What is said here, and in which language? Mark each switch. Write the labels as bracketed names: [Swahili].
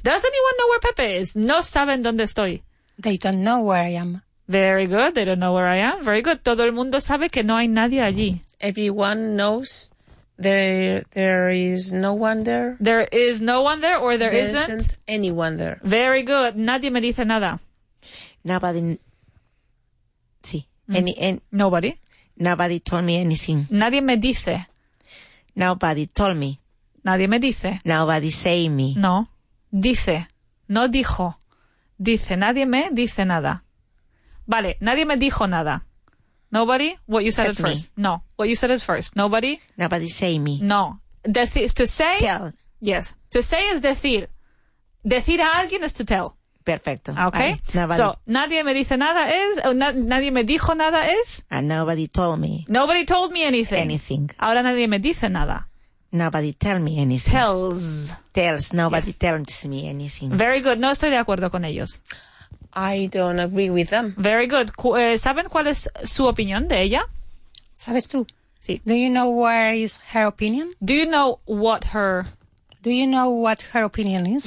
[English] Does anyone know where Pepe is? [Spanish] No saben dónde estoy. [English] They don't know where I am. Very good. They don't know where I am. Very good. [Spanish] Todo el mundo sabe que no hay nadie allí. [English] Everyone knows there is no one there. There is no one there or there isn't? There isn't anyone there. Very good. [Spanish] Nadie me dice nada. [English] Nobody. Sí. Nobody. Nobody told me anything. [Spanish] Nadie me dice. [English] Nobody told me. [Spanish] Nadie me dice. [English] Nobody say me. [Spanish] No. Dice. No dijo. Dice. Nadie me dice nada. Vale. Nadie me dijo nada. [English] Nobody? What you said at first? No. What you said at first? Nobody? Nobody say me. No. Decir is to say? Tell. Yes. To say is decir. [Spanish] Decir a alguien [English] is to tell. [Spanish] Perfecto. [English] Okay? So, [Spanish] nadie me dice nada [English] is? [Spanish] Nadie me dijo nada [English] is? And nobody told me. Nobody told me anything. Anything. [Spanish] Ahora nadie me dice nada. [English] Nobody tell me anything. Tells. Tells. Nobody tells me anything. Very good. [Spanish] No estoy de acuerdo con ellos. [English] I don't agree with them. Very good. [Spanish] ¿Saben cuál es su opinión de ella? ¿Sabes tú? Sí. [English] Do you know where is her opinion? Do you know what her opinion is?